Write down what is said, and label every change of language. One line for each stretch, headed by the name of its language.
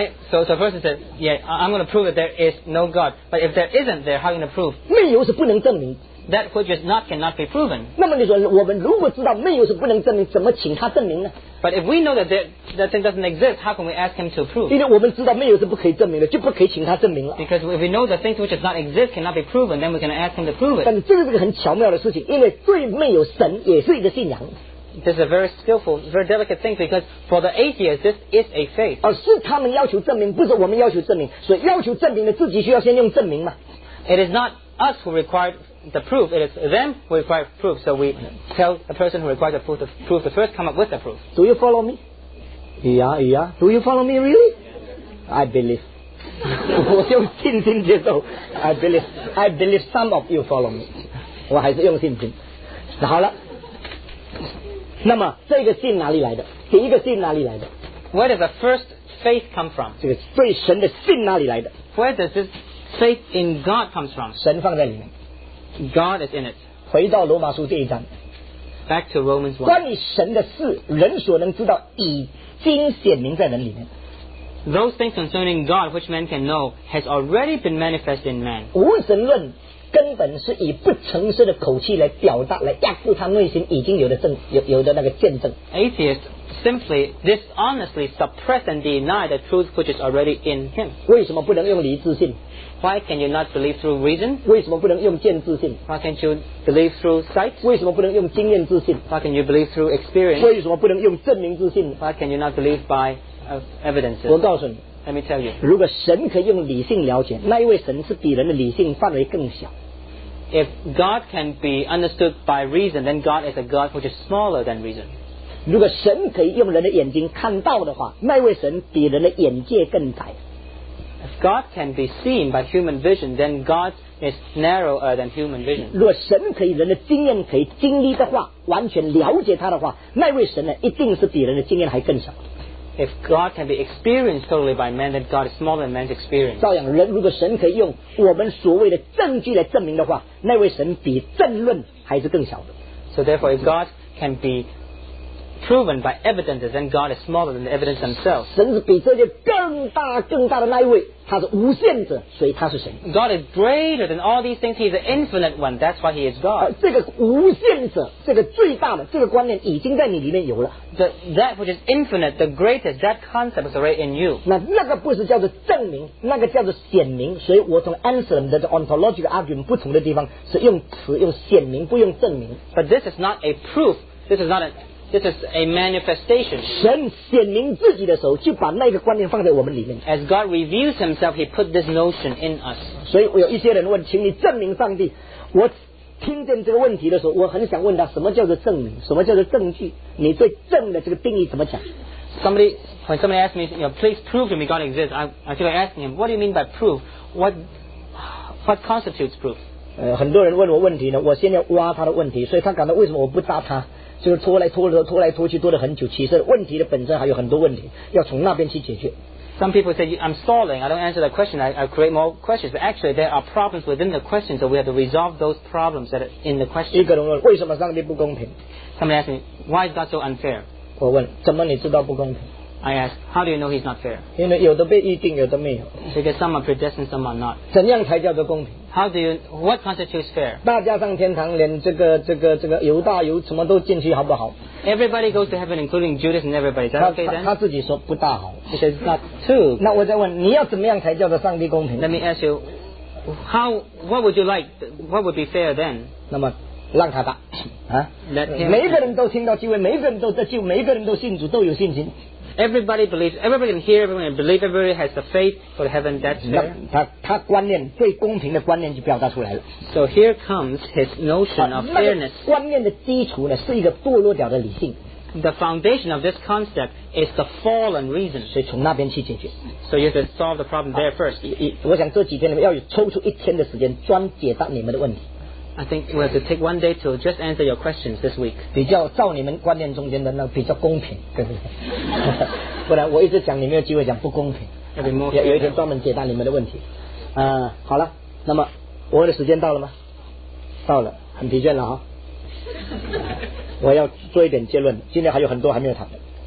English: So first he said, yeah, I'm going to prove that there is no God. But if there isn't, there, how can I prove?
Chinese: 没有是不能证明。
English: That which is not cannot be proven.
Chinese: 那么你说我们如果知道没有是不能证明，怎么请他证明呢？
English: But if we know that that thing doesn't exist, how can we ask him to prove?
Chinese: 因为我们知道没有是不可以证明的，就不可以请他证明了。
English: Because if we know that things which does not exist cannot be proven, then we can ask him to prove it.
Chinese: 但这是一个很巧妙的事情，因为对没有神也是一个信仰。
English: This is a very skillful, very delicate thing because for the atheists, this is a faith.
Chinese: 而是他们要求证明，不是我们要求证明。所以要求证明的自己需要先用证明嘛。
English: It is not us who require the proof, it is them who require proof. So we tell the person who requires the proof to first come up with the proof. Do you follow me? Yeah, yeah. Do you follow me really? I believe.
Chinese: 我用信心接受。
English: I believe some of you follow me.
Chinese: 我还是用信心。好了，那么这个信哪里来的？第一个信哪里来的？
English: Where does the first faith come from?
Chinese: 这个对神的信哪里来的？
English: Where does this faith in God comes from?
Chinese: 神放在里面。
English: God is in it.
Chinese: 回到罗马书这一章。
English: Back to Romans 1.
Chinese: 关于神的事，人所能知道，已经显明在人里面。
English: Those things concerning God which man can know has already been manifest in man.
Chinese: 无神论根本是以不诚实的口气来表达，来压住他内心已经有的证，有的那个见证。
English: Atheist simply dishonestly suppress and deny the truth which is already in him.
Chinese: 为什么不能用理智信？
English: Why can you not believe through reason?
Chinese: 为什么不能用见智信?
English: Why can't you believe through sight?
Chinese: 为什么不能用经验智信?
English: Why can you believe through experience?
Chinese: 为什么不能用证明智信?
English: Why can you not believe by evidence?
Chinese: 我告诉你,
English: Let me tell you.
Chinese: 如果神可以用理性了解, 那一位神是比人的理性范围更小。
English: If God can be understood by reason, then God is a God which is smaller than reason.
Chinese: 如果神可以用人的眼睛看到的话, 那一位神比人的眼界更窄。
English: If God can be seen by human vision, then God is narrower than human vision.
Chinese: 若神可以人的经验可以经历的话，完全了解他的话，那位神呢，一定是比人的经验还更小。
English: If God can be experienced totally by man, then God is smaller than man's experience.
Chinese: 照样，人如果神可以用我们所谓的证据来证明的话，那位神比证论还是更小的。
English: So therefore, if God can be proven by evidence, then God is smaller than the evidence themselves.
Chinese: 神是比这些更大更大的那一位，他是无限者，所以他是神。
English: God is greater than all these things. He is the infinite one. That's why he is God.
Chinese: 这个无限者，这个最大的这个观念已经在你里面有了。
English: That which is infinite, the greatest, that concept is already in you.
Chinese: 那个不是叫做证明，那个叫做显明。所以我从 Anselm 的
English: ontological argument
Chinese: 不同的地方是用词用显明，不用证明。
English: But this is not a proof. This is a manifestation.
Chinese: 神显明自己的时候，就把那个观念放在我们里面。
English: As God reveals Himself, He put this notion in us.
Chinese: 所以有一些人问，请你证明上帝。我听见这个问题的时候，我很想问他，什么叫做证明？什么叫做证据？你对证的这个定义怎么讲？
English: When somebody asks me, you know, please prove to me God exists. I feel like asking him, what do you mean by proof? What constitutes proof?
Chinese: 很多人问我问题呢，我先要挖他的问题，所以他感到为什么我不扎他？就是拖来拖去，拖来拖去，拖了很久。其实问题的本身还有很多问题，要从那边去解决。
English: Some people say I'm stalling. I don't answer the question. I create more questions. But actually, there are problems within the question, so we have to resolve those problems that are in the question.
Chinese: 一个人问为什么上帝不公平
English: ？Somebody asked me why is God so unfair.
Chinese: 我问怎么你知道不公平
English: ？I ask how do you know he's not fair?
Chinese: 因为有的被预定，有的没有。
English: Because some are predestined, some are not.
Chinese: 怎样才叫做公平？
English: How do you? What constitutes fair?
Chinese: 大家上天堂，连这个犹大犹什么都进去，好不好
English: ？Everybody goes to heaven, including Judas and everybody. That's okay then.
Chinese: 他自己说不大好。
English: He says not too.
Chinese: 那我再问，你要怎么样才叫做上帝公平
English: ？Let me ask you, what would you like? What would be fair then?
Chinese: 那么。让他打、啊、每一个人都听到机会，每一个人都得救，每一个人都信主，都有信心。
English: Everybody believes. Everybody can hear. Everyone can believe. Everybody has the faith for heaven. That's there.
Chinese: 他观念最公平的观念就表达出来了。
English: So here comes his notion of fairness.
Chinese: 观念的基础呢是一个堕落掉的理性。
English: The foundation of this concept is the fallen reason.
Chinese: 所以从那边去解决。
English: So you have to solve the problem there first.
Chinese: 我想这几天你们要有抽出一天的时间专解答你们的问题。
English: I think we have to take one day to just answer your questions this week.
Chinese: 比较照你们观念中间的那比较公平，对不对？不然我一直讲你没有机会讲不公平。有一天专门解答你们的问题。好了，那么我的时间到了吗？到了，很疲倦了哈。我要做一点结论，今天还有很多还没有谈的。